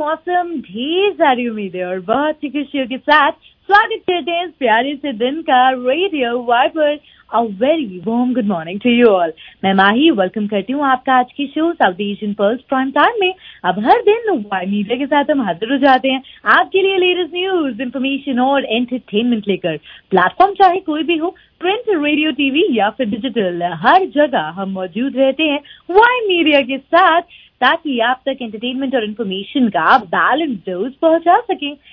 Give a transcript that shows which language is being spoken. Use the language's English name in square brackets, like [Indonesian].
[Hindi] और बहुत ही खुशियों के साथ स्वागत करते हैं इस प्यारे से दिन का radio wiper [English] A very warm good morning to you all. [Hindi] मैं माही वेलकम करती हूँ आपका आज के show south Asian pearls prime time में. अब हर दिन वाई मीडिया के साथ हम हाजिर हो जाते हैं आपके लिए लेटेस्ट न्यूज इन्फॉर्मेशन और एंटरटेनमेंट लेकर. प्लेटफॉर्म चाहे कोई भी हो, प्रिंट रेडियो टीवी या फिर डिजिटल, हर जगह हम मौजूद रहते हैं वाई मीडिया के साथ, ताकि आप तक एंटरटेनमेंट और इन्फॉर्मेशन का बैलेंस डोज पहुंचा सकें.